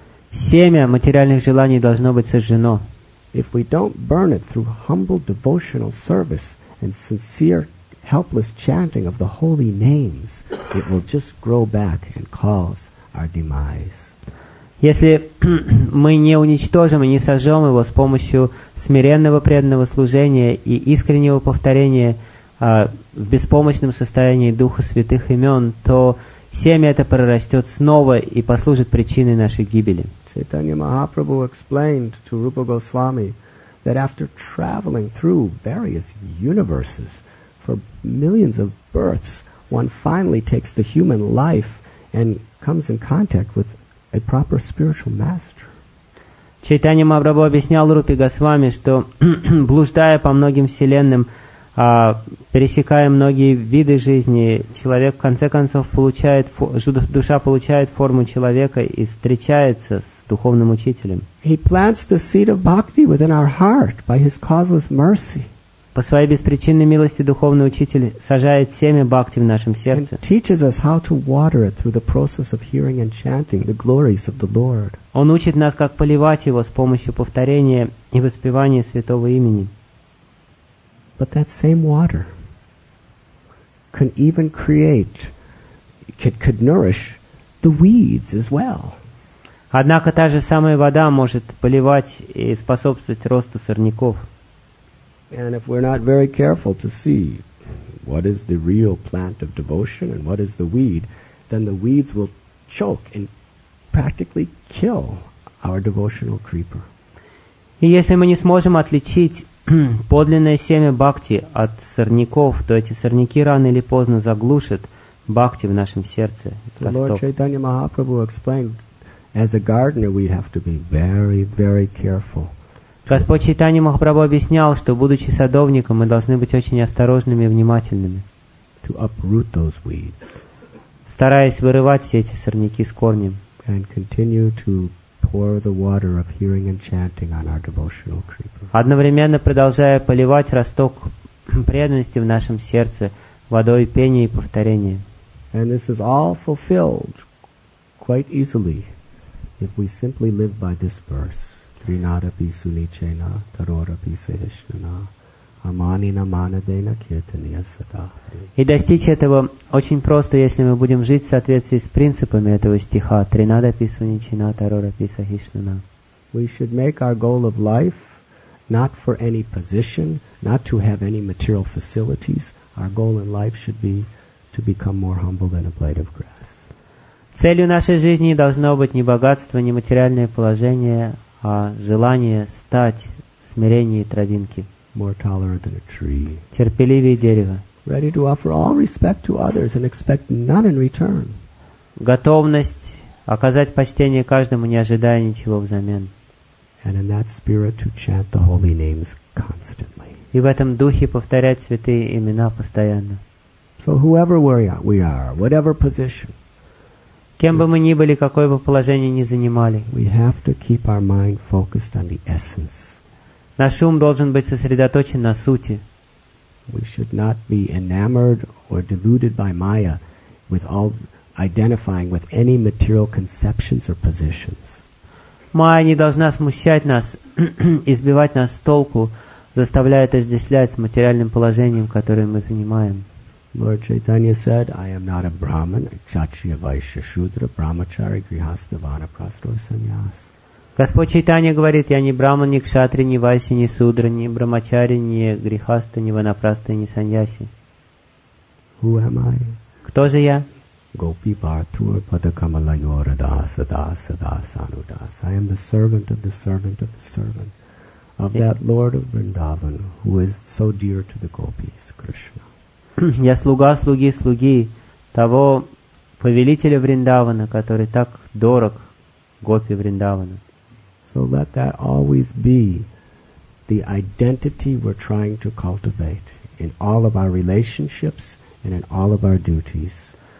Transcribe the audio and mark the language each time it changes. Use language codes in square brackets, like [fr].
[ru] Семя материальных желаний должно быть сожжено. [en] If we don't burn it through humble devotional service and sincere, helpless chanting of the holy names, it will just grow back and cause our demise. [ru] Если мы не уничтожим и не сожжем его с помощью смиренного преданного служения и искреннего повторения в беспомощном состоянии Духа Святых имен, то семя это прорастет снова и послужит причиной нашей гибели. [en] Чайтанья Махапрабху explained to Rupa Goswami that after traveling through various universes for millions of births, one finally takes the human life and comes in contact with a proper spiritual master. [ru] Чайтанья Махапрабху объяснял Рупе Госвами, что блуждая по многим вселенным, пересекая многие виды жизни, человек в конце концов получает, душа получает форму человека и встречается с духовным учителем. [en] He plants the seed of bhakti within our heart by his causeless mercy. [ru] По своей беспричинной милости духовный учитель сажает семя бхакти в нашем сердце. [en] And teaches us how to water it through the process of hearing and chanting the glories of the Lord. [ru] Он учит нас, как поливать его с помощью повторения и воспевания святого имени. [en] But that same water can even create, could nourish the weeds as well. [ru] Однако та же самая вода может поливать и способствовать росту сорняков. [en] And if we're not very careful to see what is the real plant of devotion and what is the weed, then the weeds will choke and practically kill our devotional creeper. [ru] И если мы не сможем отличить подлинное семя бхакти от сорняков, то эти сорняки рано или поздно заглушат бхакти в нашем сердце. [en] Lord Chaitanya Mahaprabhu explained, as a gardener, we have to be very, very careful. [ru] Господь Чайтанья Махапрабху объяснял, что будучи садовником, мы должны быть очень осторожными и внимательными. [en] To uproot those weeds. [ru] Стараясь вырывать все эти сорняки с корнем. [en] And continue to pour the water of hearing and chanting on our devotional creeper. [ru] Одновременно продолжая поливать росток преданности в нашем сердце водой пения и повторения. [en] And this is all fulfilled quite easily if we simply live by this verse: [sa] Trinada pisunichena, tarora pisahishnana, amanina manadena kirtaniya sadahari. [ru] И достичь этого очень просто, если мы будем жить в соответствии с принципами этого стиха. [sa] Тринада писуничина, тарора писахишнана. [en] We should make our goal of life not for any position, not to have any material facilities. Our goal in life should be to become more humble than a blade of grass. [ru] Целью нашей жизни должно быть не богатство, не материальное положение, а желание стать смиреннее травинки. [en] More tolerant than a tree. [ru] Терпеливее дерева. [en] ready to offer all respect to others and expect none in return. [ru] Готовность оказать почтение каждому, не ожидая ничего взамен. [en] And in that spirit to chant the holy names constantly. [ru] И в этом духе повторять святые имена постоянно. [en] So whoever we are, whatever position, [ru] кем бы мы ни были, какое бы положение ни занимали, [en] we have to keep our mind focused on the essence. [ru] Наш ум должен быть сосредоточен на сути. [en] We should not be enamored or deluded by Maya with all identifying with any material conceptions or positions. [ru] Майя не должна смущать нас, избивать нас с толку, заставляя отождествлять с материальным положением, которое мы занимаем. [en] Lord Chaitanya said, I am not a Brahman, a Kshatriya, Vaishya, Shudra, Brahmachari, Grihastha, Vanaprastha, or Sannyas. [ru] Господь Чайтанья говорит, я не Брахман, не Кшатри, не Вайши, не Судра, не Брахмачари, не Грихаста, не Ванапраста, не Саньяси. [en] Who am I? [ru] Кто же я? [sa] Gopi Bhartur Padakamalayora Dasa Dasa Dasa Anudasa. [en] I am the servant of the servant of the servant of that Lord of Vrindavan who is so dear to the gopis, Krishna. [ru] Я слуга слуги слуги того повелителя Вриндавана, который так дорог гопи Вриндавана. [en] So let that always be the identity we're trying to cultivate in all of our relationships and in all of our duties.